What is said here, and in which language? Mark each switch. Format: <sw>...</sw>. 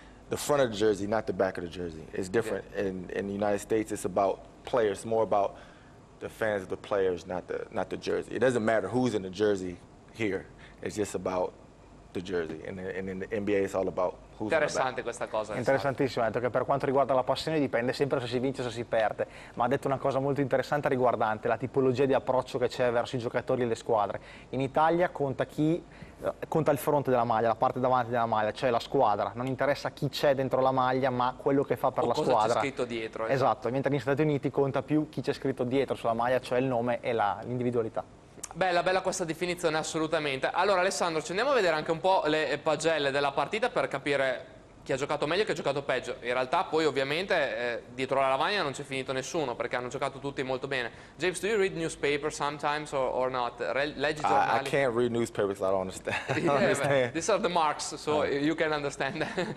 <en>The front of the jersey, not the back of the jersey. It's different. Okay. In the United States, it's about players. It's more about the fans of the players, not the jersey. It doesn't matter who's in the jersey here. It's just about the jersey. And in the NBA, it's all about who's in the back.</en> <it>Interessante questa cosa. Interessantissimo. Ha detto che per quanto riguarda la passione, dipende sempre se si vince o se si perde. Ma ha detto una cosa molto interessante riguardante la tipologia di approccio che c'è verso i giocatori e le squadre. In Italia conta chi... Conta il fronte della maglia, la parte davanti della maglia, cioè la squadra. Non interessa chi c'è dentro la maglia, ma quello che fa per o la cosa squadra. Cosa c'è scritto dietro. Esatto, mentre negli Stati Uniti conta più chi c'è scritto dietro sulla maglia, cioè il nome e l'individualità. Bella questa definizione, assolutamente. Allora, Alessandro, ci andiamo a vedere anche un po' le pagelle della partita per capire chi ha giocato meglio e chi ha giocato peggio. In realtà poi ovviamente dietro la lavagna non c'è finito nessuno perché hanno giocato tutti molto bene.</it> <en>James, do you read newspapers sometimes or not?</en> <it>Leggi giornali?</it> <en>I can't read newspapers, I don't understand. Yeah, understand. These are the marks, so you can understand.</en>